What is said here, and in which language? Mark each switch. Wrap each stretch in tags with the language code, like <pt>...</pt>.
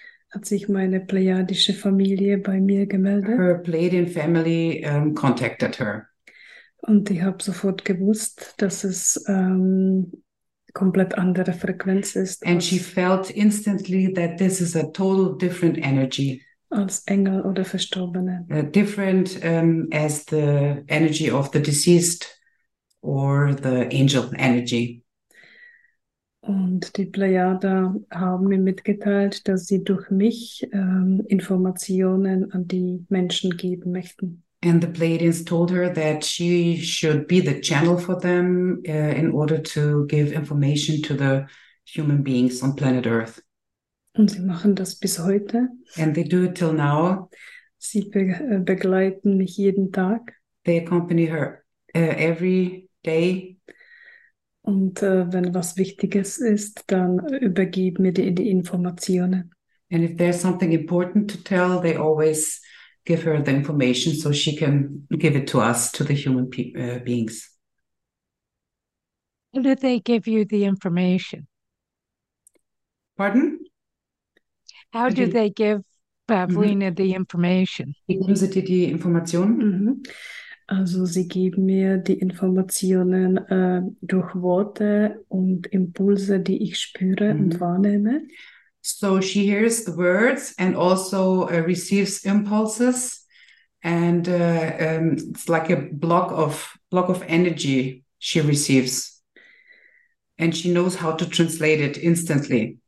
<de>Hat sich meine pleiadische Familie bei mir gemeldet.</de> <en>Her Pleiadian family contacted her.</en> <de>Und ich habe sofort gewusst, dass es komplett andere Frequenz ist.</de> <en>And she felt instantly that this is a total different energy.</en> <de>Als Engel oder Verstorbene.</de> <en>Different as the energy of the deceased or the angel energy.</en> <de>Und die Pleiader haben mir mitgeteilt, dass sie durch mich Informationen an die Menschen geben möchten.</de> <en>And the Pleiadians told her that she should be the channel for them in order to give information to the human beings on planet Earth.</en> <de>Und sie machen das bis heute.</de> <en>And they do it till now.</en> <de>Sie begleiten mich jeden Tag.</de> <en>They accompany her every day.</en> <de>Und wenn was Wichtiges ist, dann übergib mir die Informationen.</de> <en>And if there's something important to tell, they always give her the information so she can give it to us, to the human beings. How do they give you the information? Pardon? How do they give Pavlina the information?</en> <de>Wie geben sie dir die Informationen? Also sie geben mir die Informationen durch Worte und Impulse, die ich spüre und wahrnehme.</de> <en>So she hears the words and also receives impulses. And it's like a block of energy she receives. And she knows how to translate it instantly.</en>